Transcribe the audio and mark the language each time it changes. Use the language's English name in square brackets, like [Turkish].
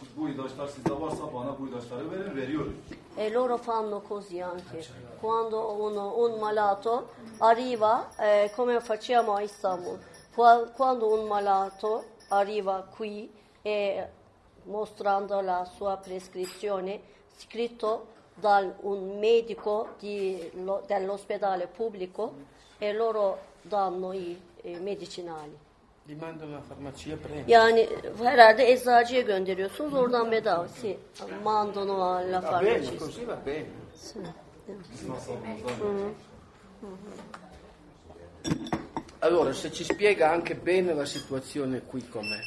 [Turkish] Bu ilaçlar sizde varsa bana bu ilaçları verin, veriyoruz. [Italian] E loro fanno così anche. Quando uno un malato arriva, come facciamo a Istanbul? Quando un malato arriva qui e mostrando la sua prescrizione scritto da un medico dell'ospedale pubblico e loro danno i medicinali. Li mandano alla farmacia prima. [Turkish] Yani herhalde eczacıya gönderiyorsunuz, oradan bedava. [Italian] Sì, mandano alla farmacia. Va bene, così va bene. Allora, se ci spiega anche bene la situazione qui com'è.